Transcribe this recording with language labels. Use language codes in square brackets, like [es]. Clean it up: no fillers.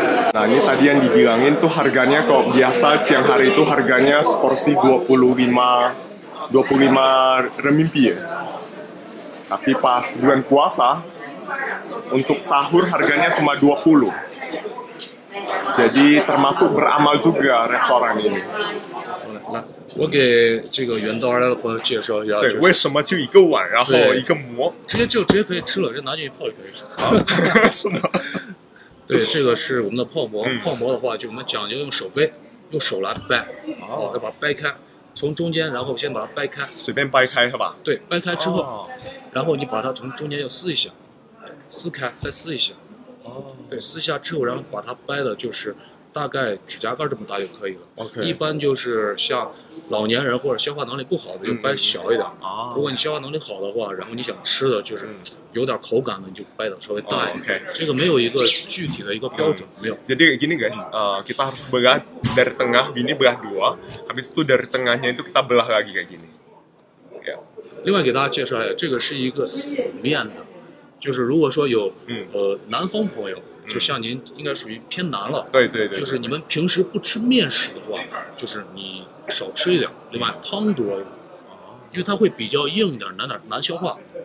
[id] Nah ini tadi yang dibilangin tuh harganya kok biasa siang hari itu harganya seporsi 25 renminbi ya. Tapi pas bulan puasa untuk sahur harganya cuma 20. Jadi termasuk beramal juga restoran ini. [zh] Nah, 我给这个远道而来的朋友介绍一下、就是、对，为什么就一个碗然后一个馍直接可以吃了，直接拿进去泡就可以了、啊、是吗？对，这个是我们的泡馍、嗯、泡馍的话就我们讲究用手背，用手来掰、哦、要把它掰开，从中间然后先把它掰开，随便掰开是吧？对，掰开之后、哦、然后你把它从中间要撕一下，撕开再撕一下、哦、对，撕下之后然后把它掰的就是大概指甲盖这么大就可以了。 [en] Okay. [zh] 一般就是像老年人或者消化能力不好的，就掰小一点、嗯啊。如果你消化能力好的话，然后你想吃的就是有点口感的，你就掰的稍微大一点。 [en] Oh, okay. [zh] 这个没有一个具体的一个标准，嗯、没有。 [id] Jadi gini guys, kita harus belah dari tengah, gini belah dua, habis itu dari tengahnya itu kita belah lagi kayak gini. [zh] 另外给大家介绍一下，这个是一个死面的，就是如果说有、嗯、南方朋友。就像您应该属于偏南了，对对 对, 对，就是你们平时不吃面食的话，就是你少吃一点，另外汤多一点，因为它会比较硬一点，难消化。